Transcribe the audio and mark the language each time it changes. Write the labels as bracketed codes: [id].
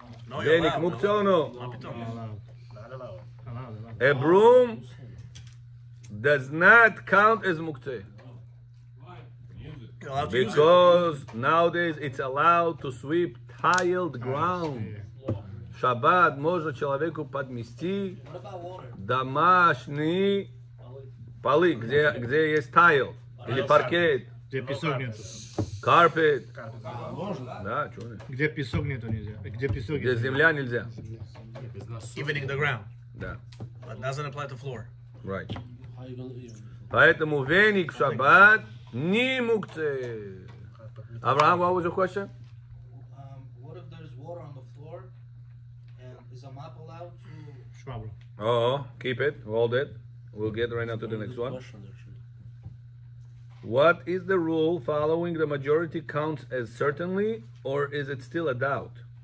[en] Venik mukteh or no? A broom does not count as mukteh. Because nowadays it's allowed to sweep tiled ground. [ru] Shabbat можно человеку подмести домашний полы, где есть тайл или паркет. Где песок нету. Карпет. Можно? Да, чего нет. Где песок нету нельзя. Где песок нет. Где земля нельзя. [en] Evening the ground. [ru] Да. [en] But doesn't apply to floor. Right. [ru] Поэтому веник Шаббат не мукте. [en] Авраам, what was your question? What if there's water on the floor and is a mop allowed to Shabbat? Oh, keep it, hold it. We'll get right now to the next one. What is the rule following the majority counts as certainly, or is it still a doubt?